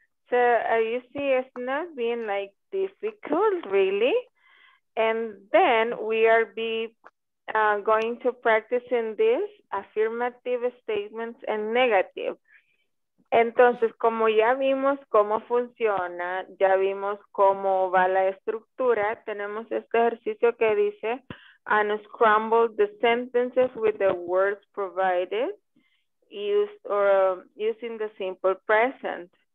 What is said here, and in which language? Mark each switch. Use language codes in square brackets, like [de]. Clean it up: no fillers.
[en] So you see, it's not being like difficult, really. And then we are going to practice in this affirmative statements and negative. [es] Entonces, como ya vimos cómo funciona, ya vimos cómo va la estructura, tenemos este ejercicio que dice... [en] Unscramble the sentences with the words provided using the simple present.